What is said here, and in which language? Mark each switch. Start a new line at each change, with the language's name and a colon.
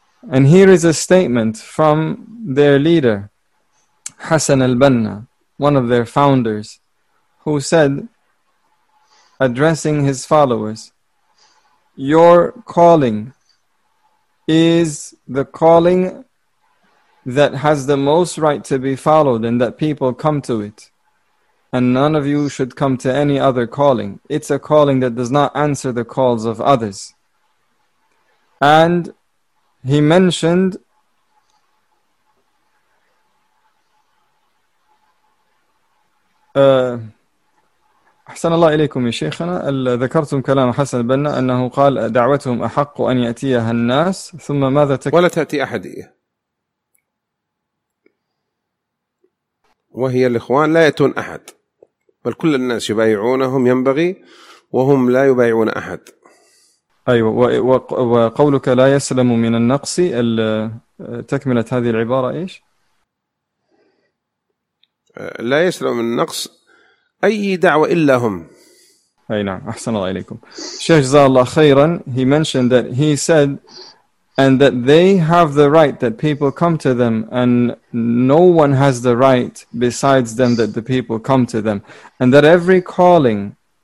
English: And here is a statement from their leader, Hassan al-Banna, one of their founders, who said, addressing his followers, "Your calling is the calling that has the most right to be followed and that people come to it. And none of you should come to any other calling. It's a calling that does not answer the calls of others."
Arabic: And he mentioned أحسن الله إليكم يا شيخنا ذكرتم كلام حسن البنا أنه قال دعوتهم أحق أن يأتيها الناس ثم ماذا ولا تأتي أحد وهي الإخوان لا يأتون أحد بل كل الناس يبايعونهم ينبغي وهم لا يبايعون أحد أيوة وقولك لا يسلم من النقص تكملة هذه العبارة إيش لا يسلم من النقص أي دعوة إلا هم
English: أي نعم أحسن الله إليكم شيخ جزاء الله خيرا he mentioned that he said and that they have the right that people come to them and no one has the right besides them that the people come to them and that every calling